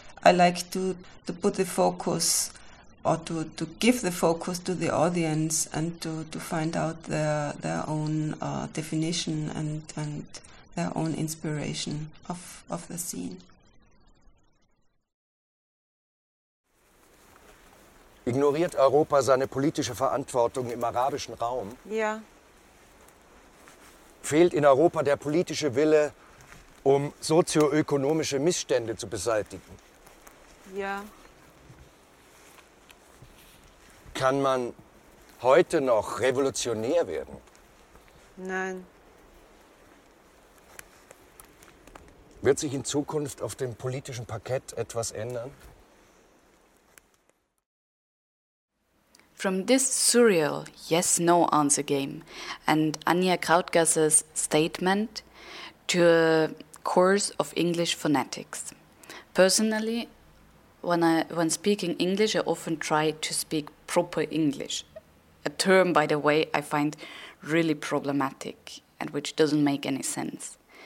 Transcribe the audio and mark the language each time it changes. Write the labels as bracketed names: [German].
[English] I like to put the focus, or to give the focus to the audience, and to find out their own definition and their own inspiration of the scene. [German] Ignoriert Europa seine politische Verantwortung im arabischen Raum? Ja. Fehlt in Europa der politische Wille, um sozioökonomische Missstände zu beseitigen? Ja. Kann man heute noch revolutionär werden? Nein. Wird sich in Zukunft auf dem politischen Parkett etwas ändern? [English] From this surreal yes-no answer game and Anja Krautgasse's statement to a course of English phonetics. Personally, when speaking English, I often try to speak proper English, a term, by the way, I find really problematic and which doesn't make any sense.